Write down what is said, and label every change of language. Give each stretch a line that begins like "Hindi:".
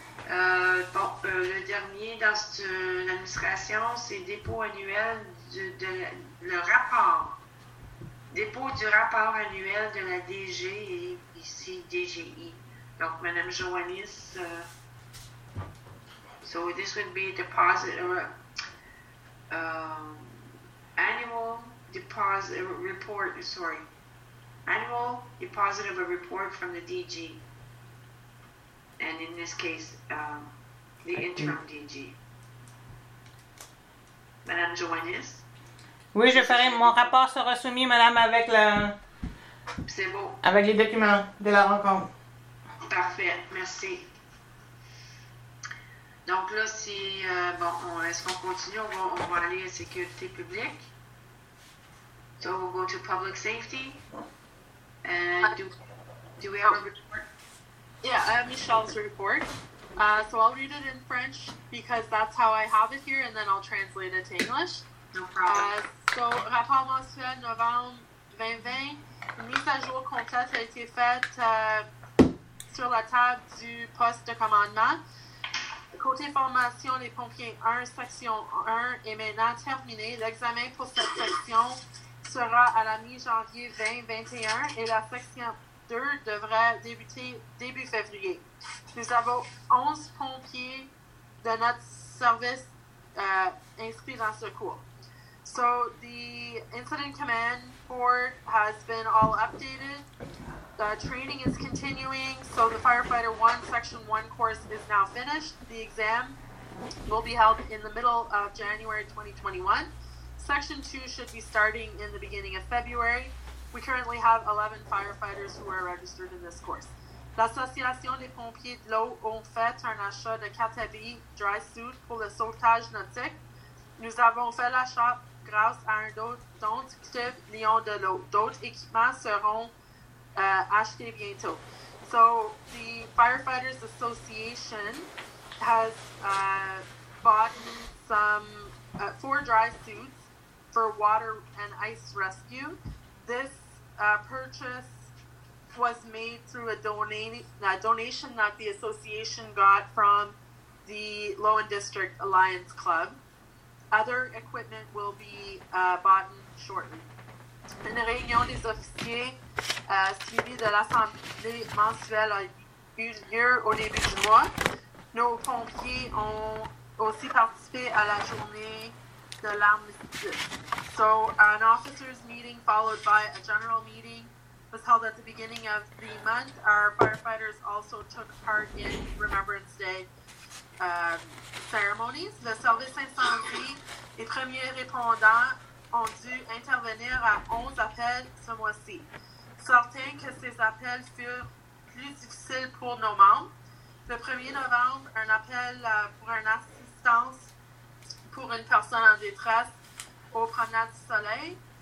French: Le dernier dans cette administration, c'est dépôt annuel le rapport. Dépôt du rapport annuel de la DG et ici DGI.
English: Donc, Madame Joannis, so this would be deposit or annual deposit report, sorry. Annual deposit of a report from the DG. And in this case, the interim DG.
French: Madame Joannis? Oui, je ferai. Mon rapport sera soumis, madame, avec le. C'est beau. Avec les documents de la rencontre. Parfait, merci. Donc là, si. Est-ce qu'on continue? On va aller à sécurité publique.
English: So we'll go to public safety. And do we have a report? Yeah, I have Michelle's report. So I'll read it in French because that's how I have it here, and then I'll translate it to English. No problem.
French: So, rapport mensuel novembre 2020, une mise à jour complète a été faite sur la table du poste de commandement. Côté formation, les pompiers 1, section 1, est maintenant terminé. L'examen pour cette section sera à la mi-janvier 2021 et la section 2 devra débuter début février. Nous avons 11 pompiers de notre service inscrits dans ce cours.
English: So the incident command board has been all updated. The training is continuing, so the Firefighter 1 Section 1 course is now finished. The exam will be held in the middle of January 2021. Section 2 should be starting in the beginning of February. We currently have 11 firefighters who are registered in this course.
French: L'Association des pompiers de l'eau ont fait un achat de 4 habits dry suit pour le sauvetage nautique. Nous avons fait l'achat grâce à un don du Club Lion de l'eau. D'autres équipements seront achetés bientôt.
English: So, the Firefighters Association has bought some 4 dry suits for water and ice rescue. This purchase was made through a donation that the association got from the Lowen District Alliance Club. Other equipment will be bought shortly.
French: Une réunion des officiers suivie de l'Assemblée mensuelle a eu lieu au début du mois. Nos pompiers ont aussi participé à la journée de l'armistice.
English: So, an officers' meeting followed by a general meeting was held at the beginning of the month. Our firefighters also took part in Remembrance Day ceremonies.
French: Le service incendie et premiers répondants ont dû intervenir à 11 appels ce mois-ci. Certains que ces appels furent plus difficiles pour nos membres. Le 1er novembre, un appel pour une assistance pour une personne en détresse aux promenades du soleil.